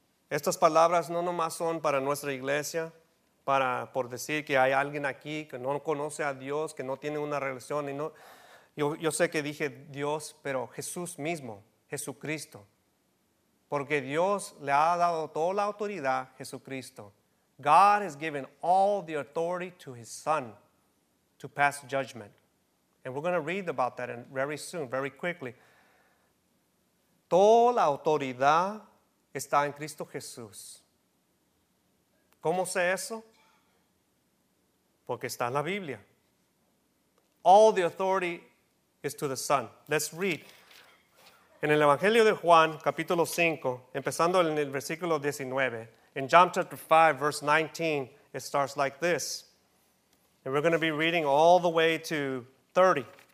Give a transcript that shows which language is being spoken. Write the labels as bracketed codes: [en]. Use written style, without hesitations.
[es] Estas palabras no nomás son para nuestra iglesia, por decir que hay alguien aquí que no conoce a Dios, que no tiene una relación. Y no, yo sé que dije Dios, pero Jesús mismo, Jesucristo. Porque Dios le ha dado toda la autoridad a Jesucristo. [en] God has given all the authority to His Son to pass judgment. And we're going to read about that very soon, very quickly. [es] Toda la autoridad está en Cristo Jesús. ¿Cómo sé eso? Porque está en la Biblia. [en] All the authority is to the Son. Let's read. [es] En el Evangelio de Juan, capítulo 5, empezando en el versículo 19. [en] In John chapter 5, verse 19, it starts like this. And we're going to be reading all the way to 30.